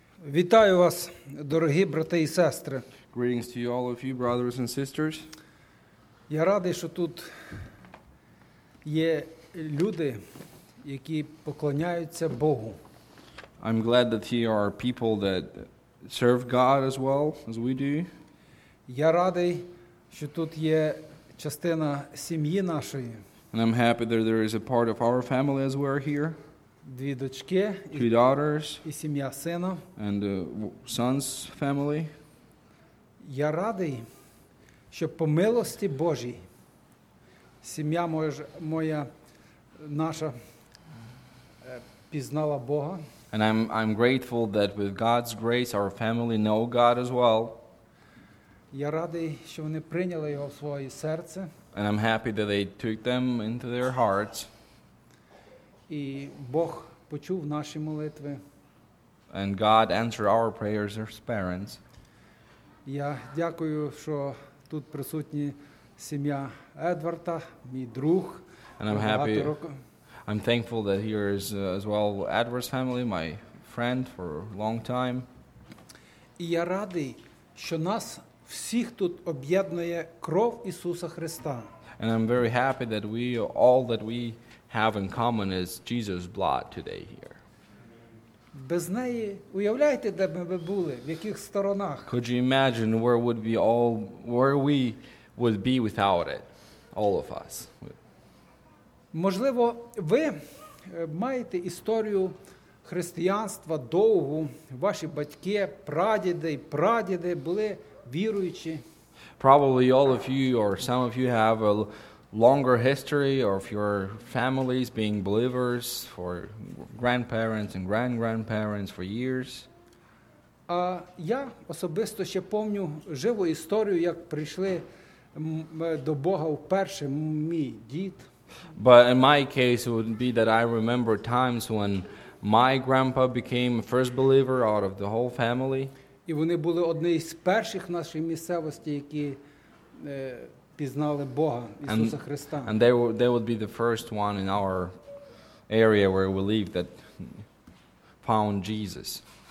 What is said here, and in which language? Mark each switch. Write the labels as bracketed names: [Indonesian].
[Ukrainian] Вітаю вас, дорогі брати і сестри. [English] Greetings to you, all of you, brothers and sisters. [Ukrainian] Я радий, що тут є люди, які поклоняються Богу. [English] I'm glad that here are people that serve God as well as we do. [Ukrainian] Я радий, що тут є частина сім'ї нашої. [English] And I'm happy that there is a part of our family as we are here. [Ukrainian] Дві дочки, [English] two daughters, [Ukrainian] і сім'я сина, [English] and the son's family. [Ukrainian] Я радий, що по милості Божій сім'я моя наша пізнала Бога. [English] And I'm grateful that with God's grace our family know God as well. [Ukrainian] Я радий, що вони прийняли його в своє серце. [English] And I'm happy that they took them into their hearts. [Ukrainian] І Бог почув наші молитви. [English] And God answered our prayers as parents. [Ukrainian] Я дякую, що тут присутні сім'я Едварда, мій друг. [English] And I'm happy. I'm thankful that here is as well Edward's family, my friend for a long time. [Ukrainian] І я радий, що нас всіх тут об'єднує кров Ісуса Христа. [English] And I'm very happy that we all that we have in common is Jesus' blood today here. [Ukrainian] Без неї, уявляєте, де б ми були, в яких сторонах? [English] Could you imagine where we would be without it, all of us? [Ukrainian] Можливо, ви маєте історію християнства довгу, ваші батьки, прадіди були віруючі. [English] Probably all of you or some of you have a longer history of your families being believers for grandparents and grand-grandparents for years. [Ukrainian] А я особисто ще помню живу історію, як прийшли до Бога вперше мій дід. [English] But in my case, it would be that I remember times when my grandpa became a first believer out of the whole family. [Ukrainian] І вони були одні з перших нашої місцевості, які пізнали Бога, Ісуса Христа. [English] And they would be the first one in our area where we live that found Jesus.